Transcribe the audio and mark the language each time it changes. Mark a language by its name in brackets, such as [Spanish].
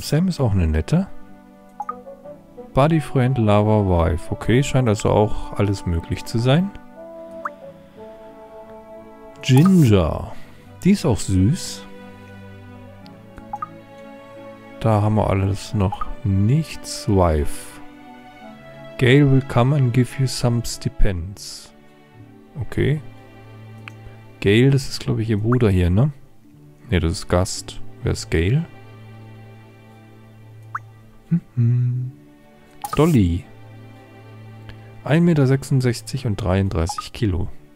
[German] Sam ist auch eine nette. Buddy, Friend, Lover, Wife. Okay, scheint also auch alles möglich zu sein. Ginger. Die ist auch süß. Da haben wir alles noch nichts. [English] Wife. Gail will come and give you some stipends. [German] Okay. Gail, das ist, glaube ich, ihr Bruder hier, ne? Ne, das ist Gast. Wer ist Gail? Dolly. 1,66 Meter und 33 Kilo.